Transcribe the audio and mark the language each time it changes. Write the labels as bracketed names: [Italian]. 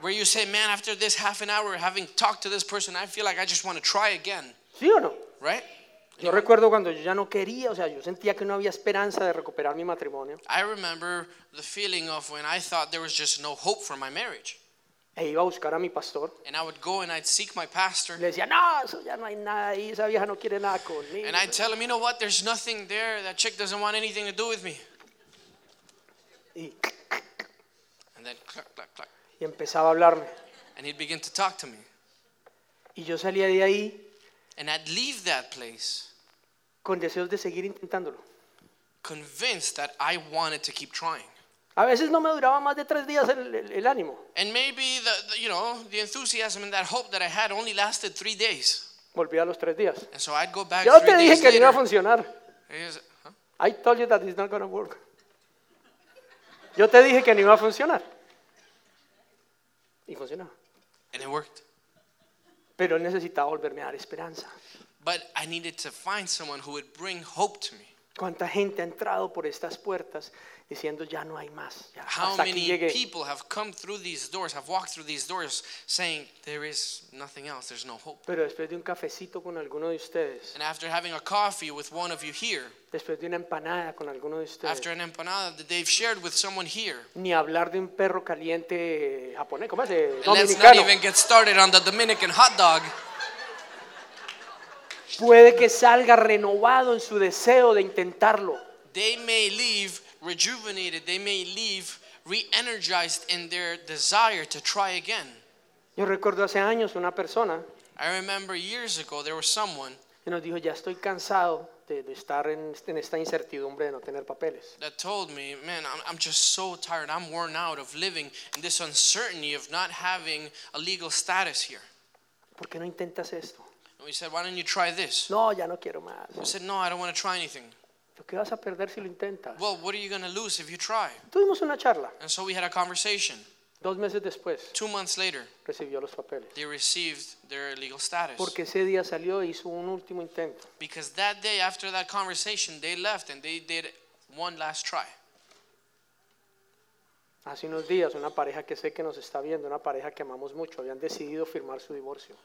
[English] Where you say, man, after this half an hour, having talked to this person, I feel like I just want to try again. [Spanish] ¿Sí o no? [English] Right? [Spanish] Yo recuerdo cuando yo ya no quería, o sea, yo sentía que no había esperanza de recuperar mi matrimonio. [English] I remember the feeling of when I thought there was just no hope for my marriage. [Spanish] E iba a buscar a mi pastor. [English] And I would go and I'd seek my pastor. [Spanish] Le decía, no, eso ya no hay nada ahí, esa vieja no quiere nada conmigo. [English] And I'd tell him, you know what, there's nothing there, that chick doesn't want anything to do with me. [Spanish] Y... [English] And then clack, clack, clack. [Spanish] Y empezaba a hablarme. [English] And he'd begin to talk to me. [Spanish] Y yo salía de ahí. [English] And I'd leave that place. [Spanish] Con deseos de seguir intentándolo. [English] Convinced that I wanted to keep trying. [Spanish] A veces no me duraba más de tres días el ánimo. [English] And maybe the enthusiasm and that hope that I had only lasted 3 days. [Spanish] Volvía a los tres días. [English] And so I'd go back. [Spanish] Yo te dije que [English] later. [Spanish] No iba a funcionar. Huh? [English] I told you that it's not going to work. [Spanish] Yo te dije que no iba a funcionar. Y funcionaba. [English] And it worked. [Spanish] Pero necesitaba volverme a dar esperanza. [English] But I needed to find someone who would bring hope to me. [Spanish] ¿Cuánta gente ha entrado por estas puertas diciendo ya no hay más? Ya, [English] how [Spanish] hasta [English] many [Spanish] que llegue. [English] People have come through these doors, have walked through these doors saying there is nothing else, there's no hope. [Spanish] Pero después de un cafecito con alguno de ustedes. [English] And after having a coffee with one of you here. [Spanish] Después de una empanada con alguno de ustedes. [English] After an empanada that they've shared with someone here. [Spanish] Ni hablar de un perro caliente japonés, ¿cómo es? [English] Let's not even get started on the Dominican hot dog. [Spanish] Puede que salga renovado en su deseo de intentarlo. [English] They may leave rejuvenated, they may leave re-energized in their desire to try again. [Spanish] Yo recuerdo hace años una persona. [English] I remember years ago there was someone. [Spanish] Que nos dijo, ya estoy cansado de estar en esta incertidumbre de no tener papeles. [English] That told me, man, I'm just so tired, I'm worn out of living in this uncertainty of not having a legal status here. [Spanish] ¿Por qué no intentas esto? [English] And we said, why don't you try this? [Spanish] No, ya no quiero más. [English] I said, no, I don't want to try anything. [Spanish] ¿Lo que vas a perder si lo intentas? [English] Well, what are you going to lose if you try? [Spanish] Tuvimos una charla. [English] And so we had a conversation. [Spanish] 2 meses después, [English] 2 months later, [Spanish] recibió los papeles. [English] They received their legal status. [Spanish] Porque ese día salió e hizo un último intento. [English] Because that day, after that conversation, they left and they did one last try. [Spanish] Hace unos días, una pareja que sé que nos está viendo, una pareja que amamos mucho, habían decidido firmar su divorcio.